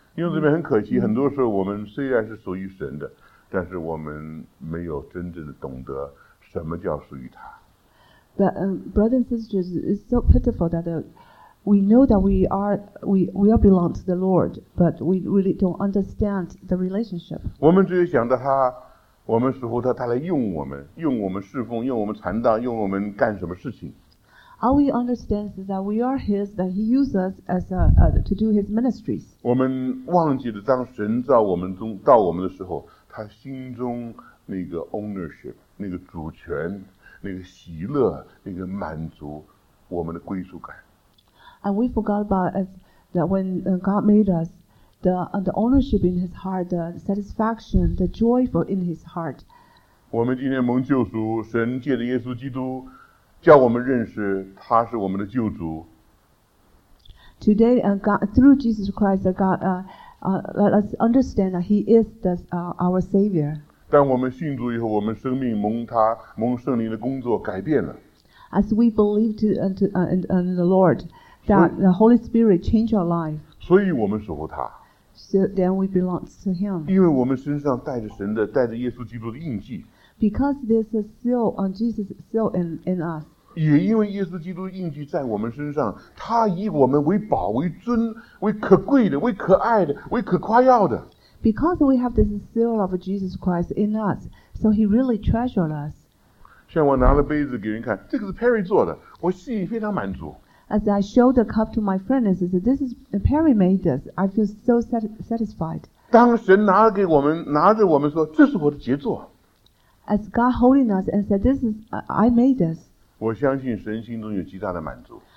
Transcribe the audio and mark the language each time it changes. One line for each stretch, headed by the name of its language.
Chinese: 因为这边很可惜，很多时候我们虽然是属于神的，但是我们没有真正的懂得什么叫属于他。
English: But brothers and sisters, it's so pitiful that We know that we belong to the Lord, but we really don't understand the relationship.
Chinese: 我们只有想到他，我们似乎他来用我们，用我们侍奉，用我们传道，用我们干什么事情。
English: All we understand is that we are His, that He uses us as to do His ministries.
Chinese: 我们忘记了当神造我们中到我们的时候，他心中那个 ownership, 那个主权，那个喜乐，那个满足，我们的归属感。
English: And we forgot about us, that when God made us, the ownership in His heart, the satisfaction, the joy for in His heart.
Chinese: 我们今天蒙救赎，神借着耶稣基督叫我们认识他是我们的救主。
English: Today, God, through Jesus Christ, God let us understand that He is our Savior.
Chinese: 当我们信主以后，我们生命蒙他蒙圣灵的工作改变了。
English: As we believe in the Lord. That the Holy Spirit changed our life.
Chinese: 所以我们守护他。
English: So then we belong to Him.
Chinese: 因为我们身上带着神的，带着耶稣基督的印记。
English: Because there's a seal on Jesus' seal in us.
Chinese: 也因为耶稣基督的印记在我们身上，他以我们为宝、为尊、为可贵的、为可爱的、为可夸耀的。
English: Because we have this seal of Jesus Christ in us, so He really treasured us.
Chinese: 像我拿了杯子给人看，这个是 Perry 做的，我心里非常满足。
English: As I showed the cup to my friend, I said, "This is Perry made this. I feel so satisfied."
Chinese: 当神拿给我们，拿着我们说，这是我的杰作。
English: As God holding us and said, "This is I made this."
Chinese: 我相信神心中有极大的满足。